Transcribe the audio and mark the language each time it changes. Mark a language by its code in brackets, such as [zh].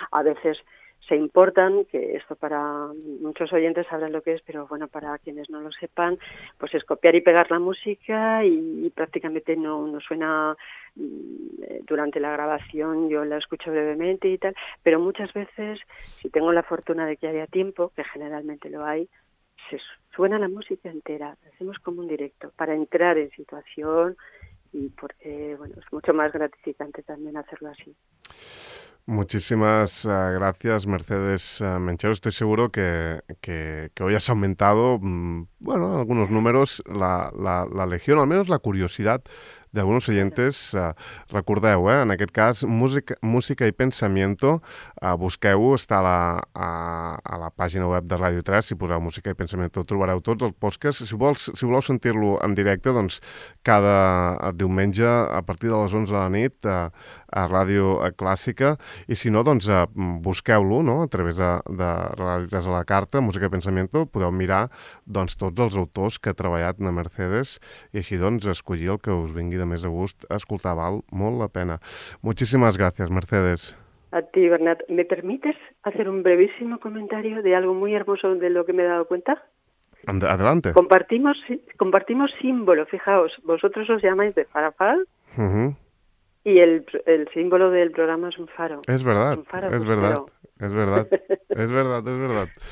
[es] A veces se importan, que esto para muchos oyentes sabrán lo que es, pero bueno, para quienes no lo sepan, pues es copiar y pegar la música y prácticamente no suena durante la grabación, yo la escucho brevemente y tal, pero muchas veces, si tengo la fortuna de que haya tiempo, que generalmente lo hay, se suena la música entera, hacemos como un directo, para entrar en situación y porque, bueno, es mucho más gratificante también hacerlo así. Muchísimas gracias, Mercedes Menchero. Estoy seguro que hoy has aumentado, bueno, algunos números, la legión, o al menos la curiosidad [ca] d'alguns oients, recordeu, en aquest cas, Música i Pensamiento, busqueu-ho, està a la pàgina web de Ràdio 3, si poseu Música i Pensamiento, trobareu tots els podcasts. Si voleu sentir-lo en directe, doncs cada diumenge a partir de les 11 de la nit a Ràdio Clàssica, i si no, doncs busqueu-lo, no?, a través de Ràdio 3 a la carta, Música i Pensamiento, podeu mirar doncs tots els autors que ha treballat na Mercedes, i així doncs escollir el que us vingui de més a gust escoltar. Val molt la pena. Moltíssimes gràcies, Mercedes. [es] A ti, Bernat. ¿Me permites hacer un brevísimo comentario de algo muy hermoso de lo que me he dado cuenta? Adelante. Compartimos símbolo, fijaos. Vosotros os llamáis de Farafal. Uh-huh. Y el símbolo del programa es un faro. Es verdad, es, faro, es verdad, es verdad, es verdad, es verdad.